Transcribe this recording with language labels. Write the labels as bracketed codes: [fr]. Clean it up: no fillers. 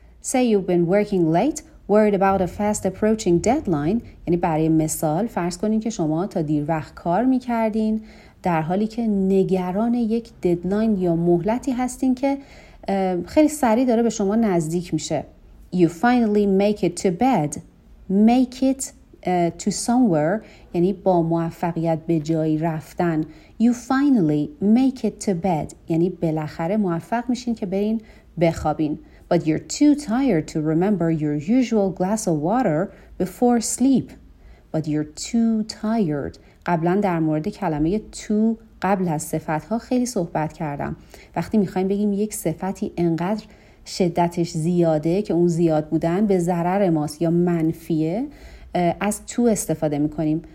[en] Say you've been working late, worried about a fast approaching deadline. [fa] یعنی برای مثال فرض کنین که شما تا دیر وقت کار میکردین در حالی که نگران یک ددلاین یا مهلتی هستین که خیلی سریع داره به شما نزدیک میشه. [en] You finally make it to bed. Make it to somewhere [fa] یعنی با موفقیت به جایی رفتن. [en] You finally make it to bed [fa] یعنی بالاخره موفق میشین که برین بخوابین. [en] But you're too tired to remember your usual glass of water before sleep. But you're too tired. [fa] قبلا در مورد کلمه too قبل از صفتها خیلی صحبت کردم. وقتی میخواییم بگیم یک صفتی انقدر شدتش زیاده که اون زیاد بودن به ضرر ماست یا منفیه، از تو استفاده میکنیم.